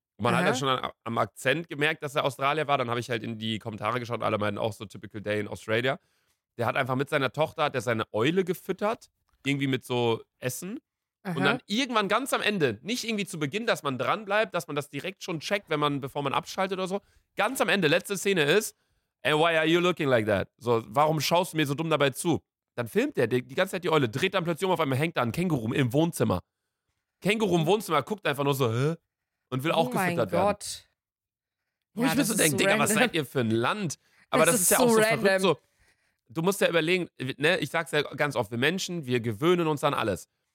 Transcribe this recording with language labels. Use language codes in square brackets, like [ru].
[de] Und man hat ja schon am Akzent gemerkt, dass er Australier war. Dann habe ich halt in die Kommentare geschaut, alle meinten auch so [en] typical day in Australia. [de] Der hat einfach mit seiner Tochter, der seine Eule gefüttert, irgendwie mit so Essen. Aha. Und dann irgendwann ganz am Ende, nicht irgendwie zu Beginn, dass man dranbleibt, dass man das direkt schon checkt, bevor man abschaltet oder so. Ganz am Ende, letzte Szene ist, [en] hey, why are you looking like that? [de] So, warum schaust du mir so dumm dabei zu? Dann filmt der die ganze Zeit die Eule, dreht dann plötzlich um, auf einmal hängt da ein Känguru im Wohnzimmer. Känguru im Wohnzimmer guckt einfach nur so, hä? Und will auch gefüttert werden. Oh mein Gott. Wo ich mir so denke, Digga, was seid ihr für ein Land? Aber das ist ja auch so verrückt. So, du musst ja überlegen, ne, ich sag's ja ganz oft, wir Menschen, wir gewöhnen uns an alles.